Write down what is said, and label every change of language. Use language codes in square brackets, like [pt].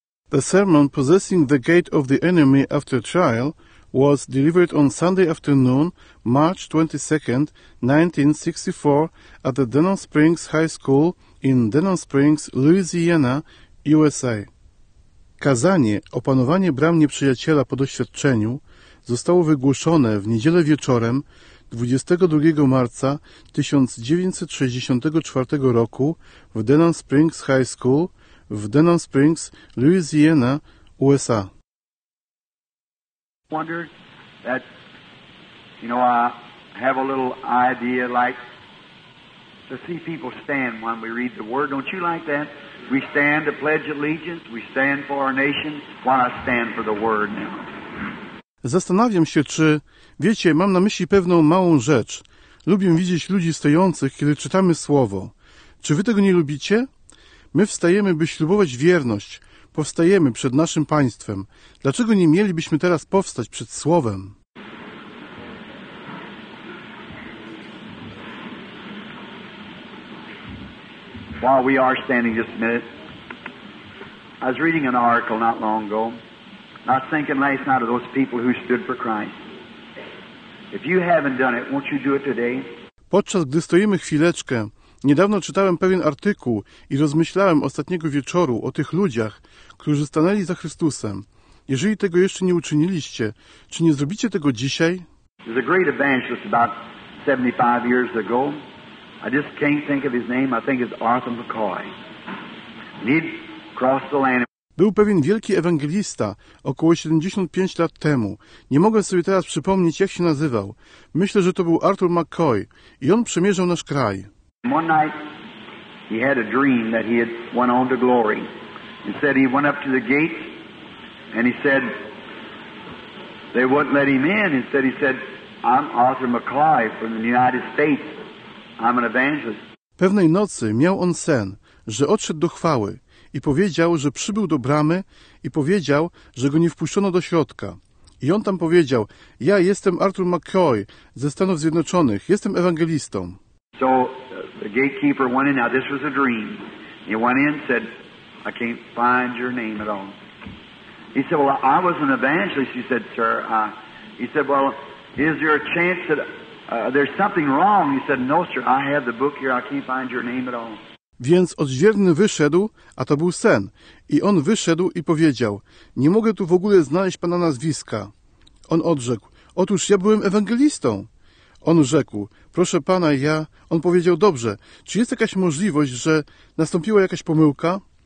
[en] The sermon, Possessing the Gate of the Enemy After Trial, was delivered on Sunday afternoon, March 22, 1964, at the Denon Springs High School in Denon Springs, Louisiana, USA. [pl] Kazanie Opanowanie Bram Nieprzyjaciela po doświadczeniu zostało wygłoszone w niedzielę wieczorem 22 marca 1964 roku w Denon Springs High School w Denon Springs, Louisiana, USA. [en] Wondered that, you know, I have a little idea like to see people stand when we read the word. Don't you like that? We stand to pledge allegiance. We stand for our nation. Why not stand for the word now? [pl] Zastanawiam się, czy wiecie, mam na myśli pewną małą rzecz. Lubię widzieć ludzi stojących, kiedy czytamy słowo. Czy wy tego nie lubicie? My wstajemy, by ślubować wierność. Powstajemy przed naszym państwem. Dlaczego nie mielibyśmy teraz powstać przed słowem? [en] While we are standing just a minute, I was reading an article not long ago. I was thinking last night of those people who stood for Christ. If you haven't done it, won't you do it today? [pl] Podczas gdy stoimy chwileczkę, niedawno czytałem pewien artykuł i rozmyślałem ostatniego wieczoru o tych ludziach, którzy stanęli za Chrystusem. Jeżeli tego jeszcze nie uczyniliście, czy nie zrobicie tego dzisiaj? [en] There's a great evangelist about 75 years ago. I just can't think of his name. I think it's Arthur McCoy. He'd cross the land. [pl] Był pewien wielki ewangelista około 75 lat temu. Nie mogę sobie teraz przypomnieć, jak się nazywał. Myślę, że to był Arthur McCoy i on przemierzał nasz kraj. [en] One night he had a dream that he had went on to glory. He said he went up to the gate and he said they wouldn't let him in. Instead he said, I'm Arthur McCoy from the United States. I'm an evangelist. [pl] Pewnej nocy miał on sen, że odszedł do chwały i powiedział, że przybył do bramy i powiedział, że go nie wpuszczono do środka. I on tam powiedział, ja jestem Arthur McCoy ze Stanów Zjednoczonych, jestem ewangelistą. [en] So the gatekeeper went in, now this was a dream. He went in and said, I can't find your name at all. He said, well, I was an evangelist, he said, sir. He said, well, is there a chance that there's something wrong? He said, no, sir, I have the book here, I can't find your name at all. [pl] Więc odźwierny wyszedł, a to był sen. I on wyszedł i powiedział, nie mogę tu w ogóle znaleźć pana nazwiska. On odrzekł, otóż ja byłem ewangelistą. On rzekł, proszę pana, ja... On powiedział, dobrze, czy jest jakaś możliwość, że nastąpiła jakaś pomyłka?